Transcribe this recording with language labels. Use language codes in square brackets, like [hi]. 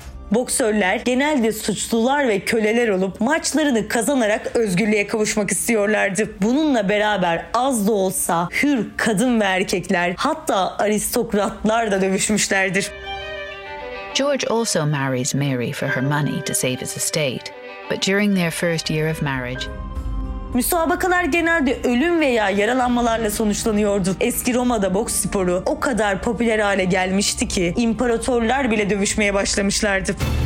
[tr] Boksörler genelde suçlular ve köleler olup maçlarını kazanarak özgürlüğe kavuşmak istiyorlardı. Bununla beraber az da olsa hür kadın ve erkekler, hatta aristokratlar da dövüşmüşlerdir. [en] George also marries Mary for her money to save his estate. But during their first year of marriage, [tr] müsabakalar genelde ölüm veya yaralanmalarla sonuçlanıyordu. Eski Roma'da boks sporu o kadar popüler hale gelmişti ki imparatorlar bile dövüşmeye başlamışlardı.